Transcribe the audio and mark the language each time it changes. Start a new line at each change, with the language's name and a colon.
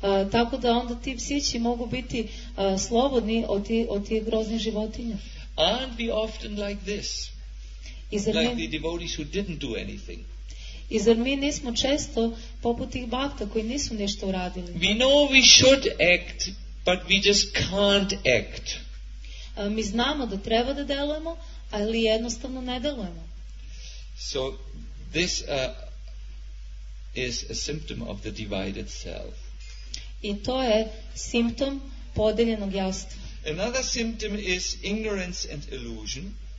Serbian: Tako da onda ti psići mogu biti slobodni od tih groznih životinja.
English: Aren't we often like this? Like the devotees who didn't do anything.
Serbian: I zar mi nismo često poput tih bhakta koji nisu ništa uradili?
English: We know we should act, but we just can't act.
Serbian: Mi znamo da treba da delujemo, ali jednostavno ne delujemo.
English: So this is a symptom of the divided self.
Serbian: I to je simptom podeljenog jastva.
English: Another symptom is ignorance and illusion.